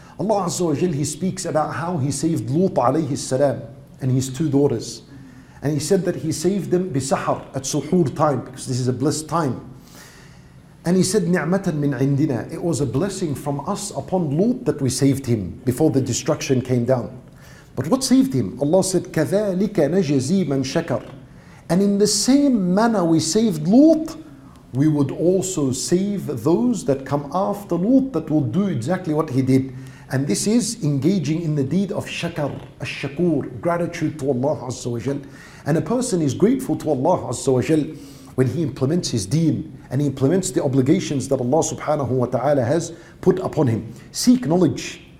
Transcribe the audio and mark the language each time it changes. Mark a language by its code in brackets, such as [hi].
[en] Allah Azza wa Jal, he speaks about how he saved Lut alayhi salam and his two daughters. And he said that he saved them بسحر, at suhoor time, because this is a blessed time. And he said, [ar] نِعْمَةً مِّنْ عِنْدِنَا. [en] It was a blessing from us upon Lut that we saved him before the destruction came down. But what saved him? Allah said, [ar] كَذَلِكَ نَجْزِي مَنْ شَكَرٍ. [en] And in the same manner we saved Lut, we would also save those that come after Lut that will do exactly what he did. And this is engaging in the deed of shakar, ash-shakur, gratitude to Allah Azza wa Jal. And a person is grateful to Allah Azza wa Jal when he implements his deen and he implements the obligations that Allah subhanahu wa ta'ala has put upon him. Seek knowledge.